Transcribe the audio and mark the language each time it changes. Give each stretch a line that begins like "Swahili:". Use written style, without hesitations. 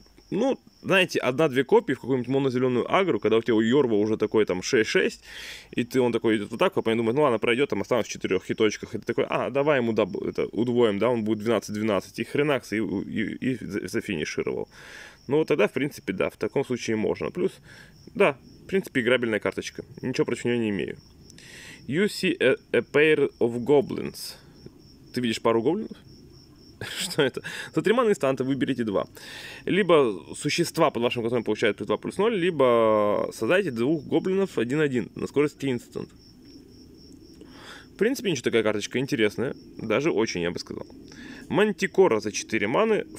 Russian: Ну, знаете, 1-2 копии в какую-нибудь монозеленую агру, когда у тебя у Йорва уже такой там 6-6, и ты он такой идет вот так, а думает, ну ладно, пройдет, там осталось в 4 хиточках, и ты такой, а, давай ему это удвоим, да, он будет 12-12, и хренакс, и зафинишировал. Ну, вот тогда, в принципе, да, в таком случае можно. Плюс, да, в принципе, играбельная карточка, ничего против нее не имею.
English: You see a pair of goblins.
Russian: Ты видишь пару гоблинов? Что это? За 3 маны инстанта выберите 2. Либо существа под вашим контролем получают плюс 2 плюс 0, либо создайте 2 гоблинов 1-1 на скорости инстант. В принципе, ничего, такая карточка интересная. Даже очень, я бы сказал. Мантикора за 4 маны.